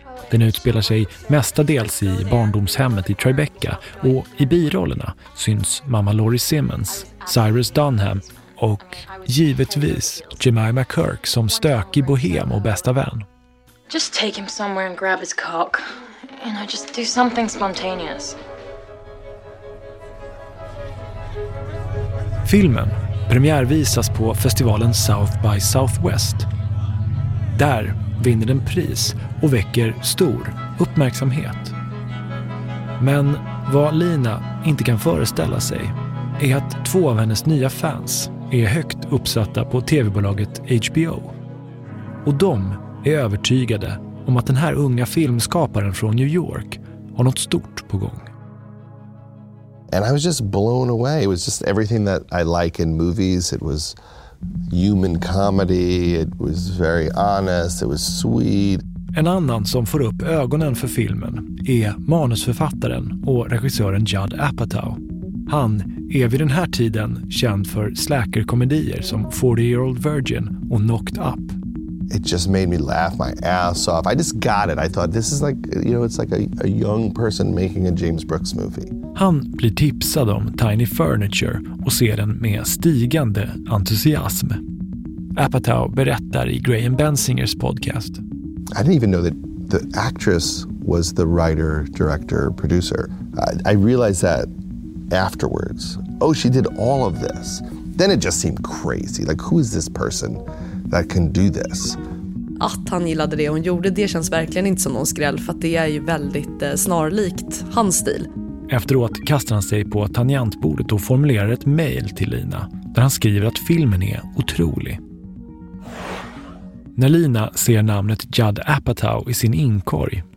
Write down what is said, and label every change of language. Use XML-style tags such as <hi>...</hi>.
<sv>Den utspelar sig mestadels i barndomshemmet i Tribeca, och i birollerna syns mamma Laurie Simmons, Cyrus Dunham och givetvis Jemima Kirk som stökig bohem och bästa vän.</sv> <en>Just take him somewhere and grab his cock and I just do something spontaneous.</en> <sv>Filmen premiärvisas på festivalen South by Southwest. Där vinner den pris och väcker stor uppmärksamhet. Men vad Lina inte kan föreställa sig är att 2 av hennes nya fans är högt uppsatta på tv-bolaget HBO. Och de är övertygade om att den här unga filmskaparen från New York har något stort på gång.</sv> <en>And I was just blown away. It was just everything that I like in movies. It was human comedy. It was very honest. It was sweet.</en> <sv>En annan som får upp ögonen för filmen är manusförfattaren och regissören Judd Apatow. Han är vid den här tiden känd för slacker-komedier som 40-Year-Old Virgin och Knocked Up.</sv> <en>It just made me laugh my ass off. I just got it. I thought this is like, you know, it's like a young person making a James Brooks movie.</en> <sv>Han blir tipsad om Tiny Furniture och ser den med stigande entusiasm. Apatow berättar i Graham Bensingers podcast.</sv> <en>I didn't even know that the actress was the writer, director, producer. I realized that afterwards. Oh, she did all of this. Then it just seemed crazy. Like, who is this person that can do this?</en> <sv>Att han gillade det hon gjorde, det känns verkligen inte som någon skräll, för att det är ju väldigt snarlikt hans stil. Efteråt kastar han sig på tangentbordet och formulerar ett mejl till Lina där han skriver att filmen är otrolig. När Lina ser namnet Judd Apatow i sin inkorg</sv>